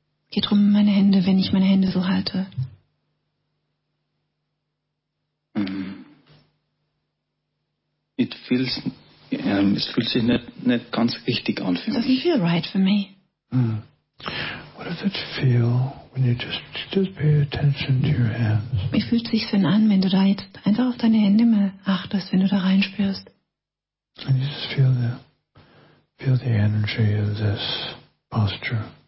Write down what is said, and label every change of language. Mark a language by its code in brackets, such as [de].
[de] Geht um meine Hände, wenn ich meine Hände so halte. [en] It feels, [de] es fühlt sich nicht ganz richtig an für mich. [en] It doesn't feel right for me. What does it feel when you just pay attention to your hands? [de] Wie fühlt sich's denn an, wenn du da jetzt einfach auf deine Hände mal achtest, wenn du da reinspürst? [en] And you just feel the energy of this posture.